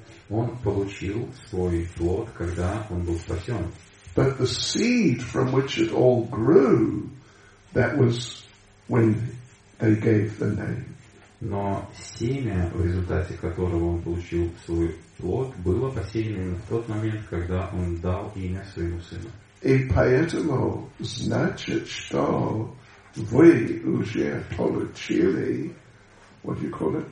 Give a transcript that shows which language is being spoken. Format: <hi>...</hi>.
<ru>Он получил свой плод, когда он был спасен.</ru> <en>But the seed from which it all grew, that was when they gave the name.</en> <ru>Но семя, в результате которого он получил свой плод, было посеяно в тот момент, когда он дал имя своему сыну. И поэтому, значит, что вы уже получили,</ru> <en>what do you call it,</en>